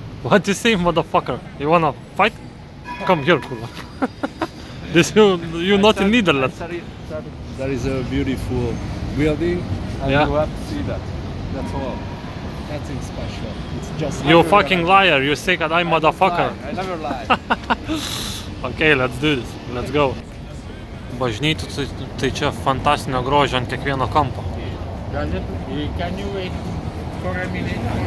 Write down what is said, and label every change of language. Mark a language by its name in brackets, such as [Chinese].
[English] What you say, motherfucker? You wanna fight? Come here, kurva. This you're not in Netherlands. There is a beautiful building and you have to see that. That's all. Nothing special. It's just you fucking liar. You say that I'm motherfucker. I never lie. Okay, let's do this. Let's go. [Lithuanian] Bažnyčia tai čia fantastinio grožio ant kiekvieno kampo. [English] Can you wait for a minute?